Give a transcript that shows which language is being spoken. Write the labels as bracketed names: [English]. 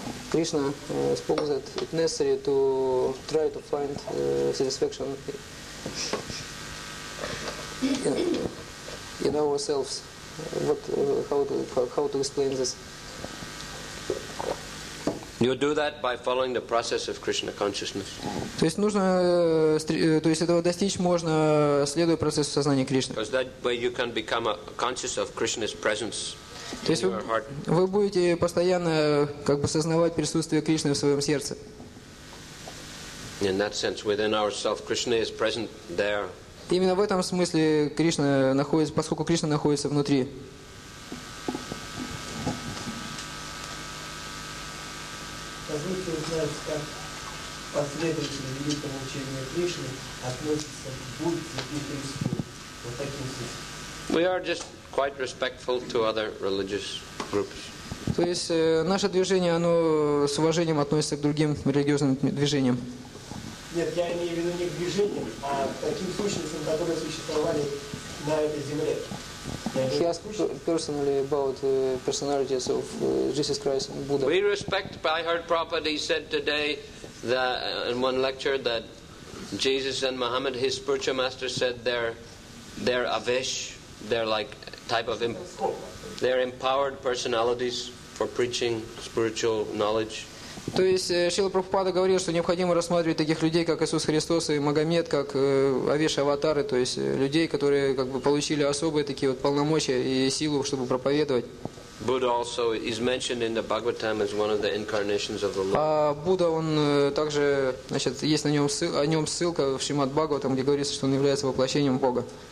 [English] Krishna spoke that it's necessary to try to find satisfaction in ourselves. What, how to explain this? You do that by following the process of Krishna consciousness. [Russian] То есть нужно, то есть этого достичь можно, следуя процессу сознания Кришны. [English] Because that way you can become conscious of Krishna's presence. [Russian] То есть вы будете постоянно как бы сознавать присутствие Кришны в своем сердце. [English] In that sense, within ourselves, Krishna is present there. [Russian] Именно в этом смысле Кришна находится, поскольку Кришна находится внутри. Позвольте узнать, как последователи великого учения Кришны относятся к Будде и Христу. Вот таким образом. [English] We are just quite respectful to other religious groups. [Russian] То есть наше движение, оно с уважением относится к другим религиозным движениям. Нет, я имею в виду не к движениям, а к таким сущностям, которые существовали на этой земле. [English] He asked personally about the personalities of Jesus Christ and Buddha. We respect, I heard Prabhupada, he said today that, in one lecture, that Jesus and Muhammad, his spiritual master, said they're avish, they're like type of they're empowered personalities for preaching spiritual knowledge. [Russian] То есть Шрила Прабхупада говорил, что необходимо рассматривать таких людей, как Иисус Христос и Магомед, как авеш-аватары, то есть людей, которые как бы получили особые такие вот полномочия и силу, чтобы проповедовать. [English] Buddha also is mentioned in the Bhagavatam as one of the incarnations of the Lord. [Russian] А Будда, он также, значит, есть на нем о нем ссылка в Шримад Бхагаватам, где говорится, что он является воплощением Бога.